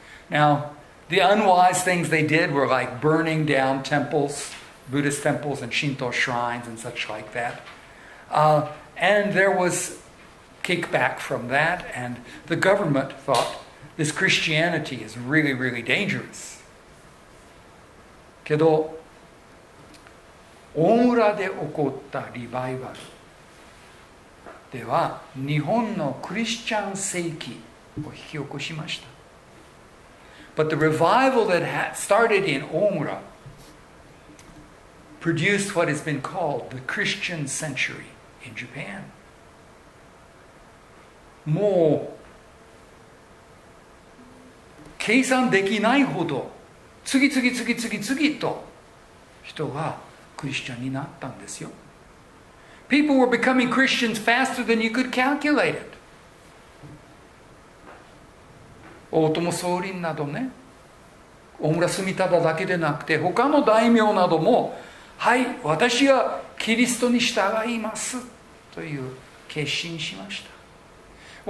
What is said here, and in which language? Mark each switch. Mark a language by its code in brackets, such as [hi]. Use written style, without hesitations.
[en] Now, the unwise things they did were like burning down temples, Buddhist temples and Shinto shrines and such like that. And there was kickback from that, and the government thought this Christianity is really, really dangerous. [ja] けど、大村で起こったリバイバル。では日本のクリスチャン世紀を引き起こしました。 [en] But the revival that had started in Omura produced what has been called the Christian century in Japan. [ja] もう計算できないほど次々次々次々次と人がクリスチャンになったんですよ。 [en] People were becoming Christians faster than you could calculate it. [ja] 大友宗麟などね、大村住忠だけでなくて他の大名なども、はい、私はキリストに従いますという決心しました。